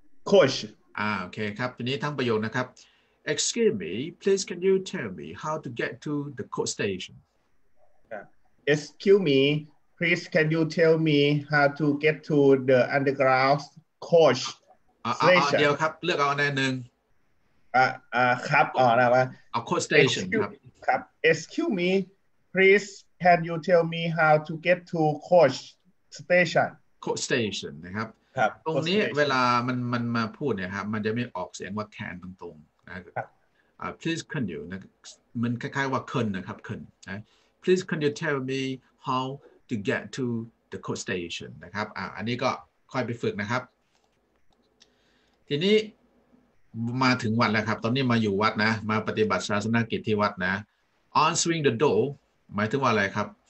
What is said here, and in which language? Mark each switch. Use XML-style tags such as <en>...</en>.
<en>Coach</en> <th>โอเคครับทีนี้ทั้งประโยคนะครับ</th> <en>Excuse me Please can you tell me How to get to the coach station Excuse meplease can you tell me how to get to the underground coach</en> <th>station เดียวครับเลือกเอาอันใดหนึ่ง ครับเอาอะไรวะ เอา coach station ครับ</th> <en>excuse me please can you tell me how to get to coach station</en> <th>coach station นะครับ ครับ ตรงนี้เวลามันมาพูดเนี่ยครับมันจะไม่ออกเสียงว่า can ตรงๆนะ ครับ</th> <en>please can you นะมันคล้ายๆว่า can นะครับ can นะ please can you tell me howto get to the coach station</en> <th>นะครับอันนี้ก็ค่อยไปฝึกนะครับทีนี้มาถึงวัดแล้วครับตอนนี้มาอยู่วัดนะมาปฏิบัติศาสนกิจที่วัดนะ</th> <en>on swing the door</en> <th>หมายถึงว่าอะไรครับ</th>